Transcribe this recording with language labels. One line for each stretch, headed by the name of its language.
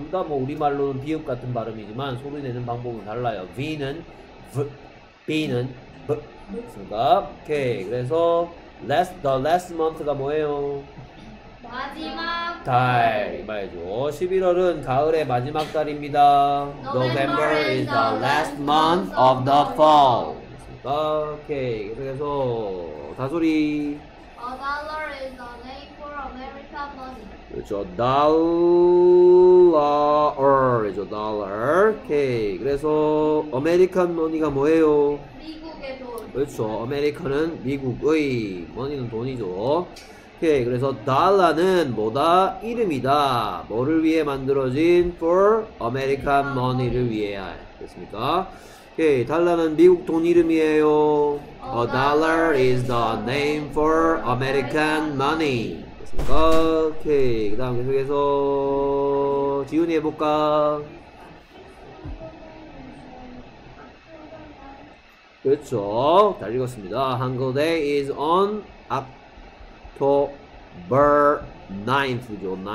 Korean: 둘다뭐 우리말로는 비읍 같은 발음이지만 소리 내는 방법은 달라요. V는 V, B는 B. 맞습니까? 오케이. 그래서
English: the last month
Korean: 가 뭐예요? 마지막 달. 이 말이죠. 11월은 가을의 마지막 달입니다.
English: November is the last month of the fall.
Korean: 오케이. 계속해서 다소리.
English: $1 is the name for American money.
Korean: 그렇죠. dollar이죠. dollar. 오케이. 그래서
English: American money
Korean: 가 뭐예요? 미국의 돈. 그렇죠. American은 미국의, money는 돈이죠. 오케이. 그래서 달러는 뭐다? 이름이다. 뭐를 위해 만들어진?
English: for American money
Korean: 를 위해야 됐습니까? 오케이. 달러는 미국 돈 이름이에요.
English: A dollar is the name for American money.
Korean: 됐습니까? 오케이. 그 다음 계속해서 지훈이 해볼까? 그렇죠. 잘 읽었습니다.
English: Hunger Day is on October 9th
Korean: 죠.